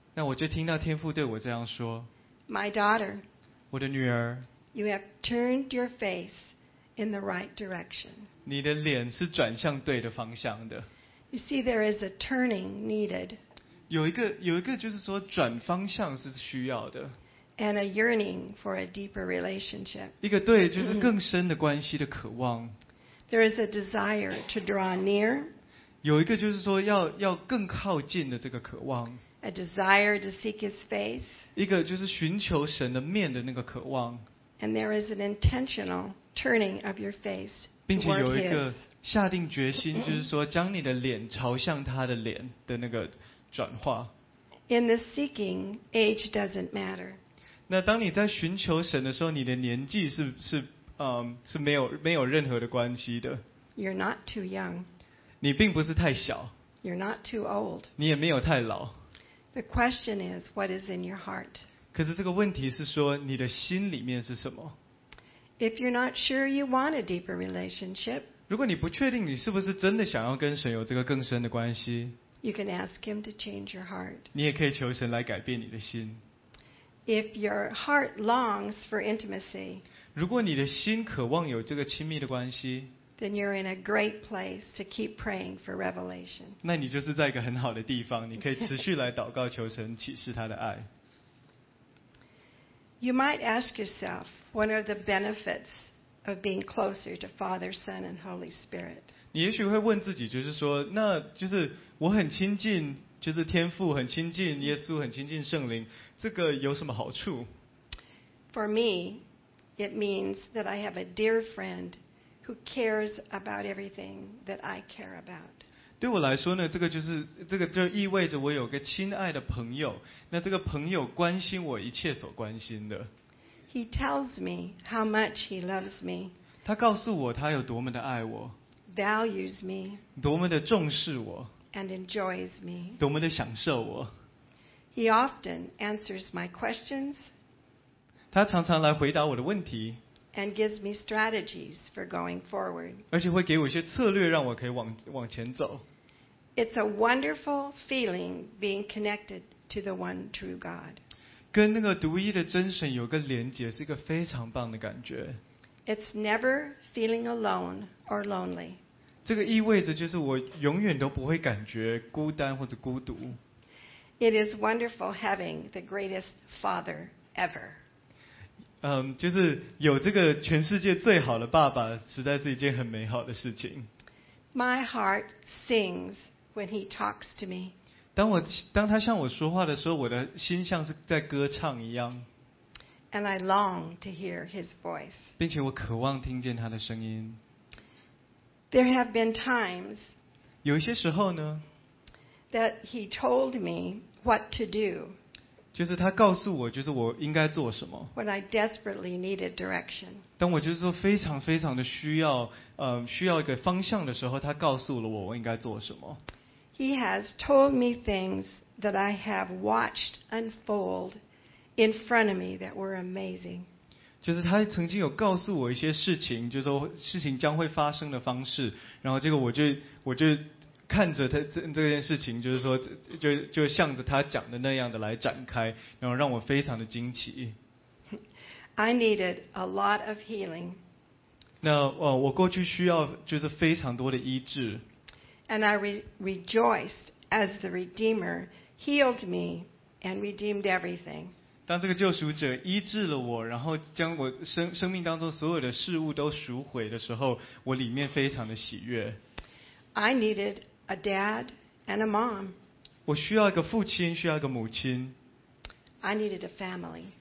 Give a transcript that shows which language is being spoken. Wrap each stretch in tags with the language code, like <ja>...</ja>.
<zh>那我就听到天父对我这样说</zh> <en>My daughter,</en> <zh>我的女儿</zh> <en>You have turned your face in the right direction.</en> <zh>你的脸是转向对的方向的</zh> <en>You see, there is a turning needed.</en> <zh>有一个就是说转方向是需要的</zh> <en>And a yearning for a deeper relationship.</en> <zh>一个对就是更深的关系的渴望</zh> <en>There is a desire to draw near.</en> <zh>有一个就是说要更靠近的这个渴望</zh> <en>A desire to seek His face.</en> <zh>一个就是寻求神的面的那个渴望。</zh> <en>And there is an intentional turning of your face toward His.</en> <zh>并且有一个下定决心，就是说将你的脸朝向他的脸的那个转化。</zh> <en>In the seeking, age doesn't matter.</en> <zh>那当你在寻求神的时候，你的年纪是没有任何的关系的。</zh> <en>You're not too young.</en> <zh>你并不是太小。</zh> <en>You're not too old.</en> <zh>你也没有太老。</zh> <en>The question is, what is in your heart?</en> <zh>可是这个问题是说，你的心里面是什么</zh> <en>？If you're not sure you want a deeper relationship,</en> <zh>如果你不确定你是不是真的想要跟神有这个更深的关系</zh> <en>，You can ask Him to change your heart.</en> <zh>你也可以求神来改变你的心。</zh> <en>If your heart longs for intimacy,</en> <zh>如果你的心渴望有这个亲密的关系</zh> <en>，Then you're in a great place to keep praying for revelation.</en> <zh>那你就是在一个很好的地方，你可以持续来祷告求神启示他的爱。</zh> <en>You might ask yourself, what are the benefits of being closer to Father, Son, and Holy Spirit?</en> <zh>你也许会问自己，就是说，那就是我很亲近，就是天父很亲近，耶稣很亲近圣灵，这个有什么好处</zh> <en>？For me, it means that I have a dear friend. Who cares about everything that I care about?</en> <zh>对我来说呢，这个就是这个就意味着我有个亲爱的朋友。那这个朋友关心我一切所关心的。</zh> <en>He tells me how much he loves me.</en> <zh>他告诉我他有多么的爱我。</zh> <en>Values me.</en> <zh>多么的重视我。</zh> <en>And enjoys me.</en> <zh>多么的享受我。</zh> <en>He often answers my questions.</en> <zh>他常常来回答我的问题。</zh> <en>And gives me strategies for going forward.</en> <zh>而且会给我一些策略，让我可以往前走。</zh> <en>It's a wonderful feeling being connected to the one true God.</en> <zh>跟那个独一的真神有个连结，是一个非常棒的感觉。</zh> <en>It's never feeling alone or lonely.</en> <zh>这个意味着就是我永远都不会感觉孤单或者孤独。</zh> <en>It is wonderful having the greatest father ever.</en> <zh>就是有这个全世界最好的爸爸，实在是一件很美好的事情。</zh> <en>My heart sings when he talks to me.</en> <zh>当他向我说话的时候，我的心像是在歌唱一样。</zh> <en>And I long to hear his voice.</en> <zh>并且我渴望听见他的声音。</zh> <en>There have been times.</en> <zh>有一些时候呢</zh> <en>that he told me what to do，</en> <zh>就是他告诉我，就是我应该做什么。</zh> <en>When I desperately needed direction，</en> <zh>当我就是说非常非常的需要，需要一个方向的时候，他告诉了我应该做什么。</zh> <en>He has told me things that I have watched unfold in front of me that were amazing。</en> <zh>就是他曾经有告诉我一些事情，就是说事情将会发生的方式，然后这个我就看着他 这件事情，就是说就向着他讲的那样的来展开，然后让我非常的惊奇。</zh> <en>I needed a lot of healing。</en> <zh>那我过去需要就是非常多的医治。</zh> <en>And I rejoiced as the Redeemer healed me and redeemed everything。</en> <zh>当这个救赎者医治了我，然后将我 生命当中所有的事物都赎回的时候，我里面非常的喜悦。</zh> <en>I needed a dad and a mom。</en> <zh>我需要一个父亲，需要一个母亲。</zh> <en>I needed a family。</en>